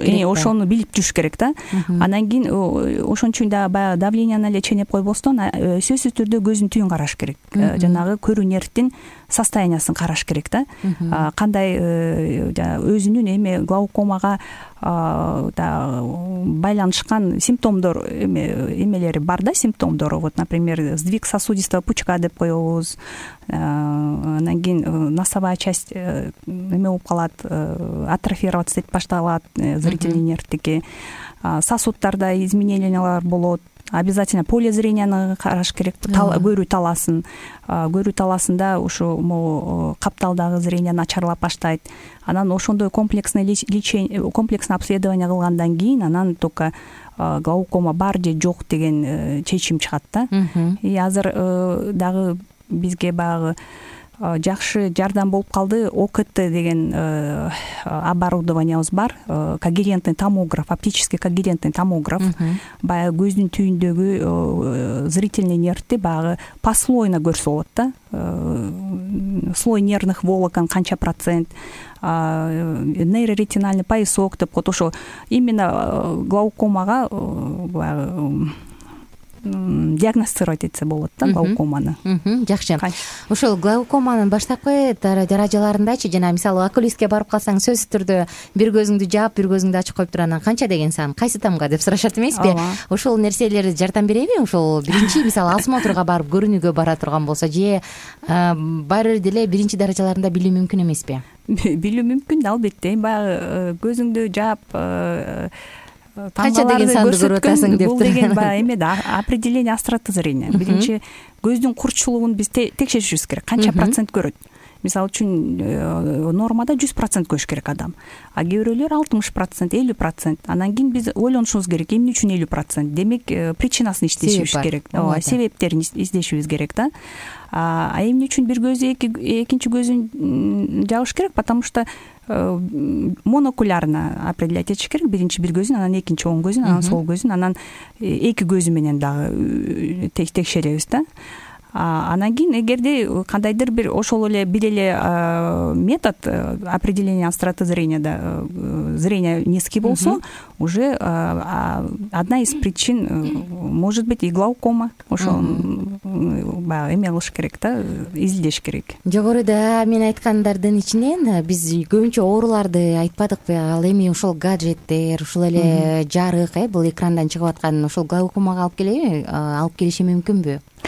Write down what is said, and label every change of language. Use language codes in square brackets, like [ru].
[ky] ошону билип жүрүш керек да. Анан кийин ошон үчүн да баягы давленияны эле ченеп койбостон сөзсүз сөзсүз түрдө көздүн түйүн караш керек. Жанагы көрүү нерттин состояниясын караш керек да. Кандай өзүнүн эми глаукомага байланышкан симптомдор эмелери бар да, симптомдору. [ru] Вот, например, сдвиг сосудистого пучка [ky] деп коебуз. Анан кийин [ru] носовая часть [ky] эме болуп калат, атрофироваться деп башталат зрительный нерттики. Сосудтарда изменениялар болот. Обязательно поле зренияны караш керек, көрүү таласын. Көрүү таласында ушу капталдагы зрения начарлап баштайт. Анан ошондой [ru] комплексное обследование [ky] кылгандан кийин анан только глаукома бар же жок деген чечим чыгат да. И азыр дагы бизге баягы жакшы жардам болуп калды, ОКТ деген оборудованиябыз бар, когерентный томограф, оптический когерентный томограф. Баягы көздүн түйүндөгү зрительный нервти баягы послойно көрсө болот да. [ru] Слой нервных волокон [ky] канча процент, нейроретинальный поясок деп коет, ошо именно глаукомага баягы диагностировать этсе болот да, глаукоманы. Жакшы. Ошол глаукоманын баштапкы даражаларындачы жана мисалы окулистке барып калсаң сөзсүз түрдө бир көзүңдү жаап, бир көзүңдү ачып коюп туруп анан канча деген сан, кайсы тамга деп сурашат эмеспи? Ошол нерселер жардам береби? Ошол биринчи мисалы осмотрго барып көрүнүүгө бара турган болсо же баары деле биринчи даражаларында билүү мүмкүн эмеспи? Билүү мүмкүн да, албетте. Эми баягы көзүңдү жаап канча деген санды көрүп атасың деп бул деген баягы эме да, определение остроты зрения. Биринчи көздүн курчулугун биз текшеришибиз керек, канча процент көрөт. Мисалы үчүн нормада 100% көрүш керек адам, а кээ бирөөлөр 60%, 50%. Анан кийин биз ойлонушубуз керек, эмне үчүн 50%? Демек причинасын издешибиз керек, себептерин издешибиз керек да. А эмне үчүн бир көзү экинчи көзүн жабыш керек? [ru] Потому что монокулярно определять [ky] этиш керек, биринчи бир көзүн, анан экинчи оң көзүн, анан сол көзүн, анан эки көзү менен дагы текшеребиз да. Анан кийин эгерде кандайдыр бир ошол эле бир эле метод [ru] определения остроты зренияда зрение низкий болсо, уже одна из причин может быть и глаукома. [ky] Ошол баягы эме кылыш керек да, изилдеш керек. Жогоруда мен айткандардын ичинен биз көбүнчө ооруларды айтпадыкпы? Ал эми ушул гаджеттер, ушул эле жарык, бул экрандан чыгып аткан ушул глаукомага алып келеби, алып келиши мүмкүнбү?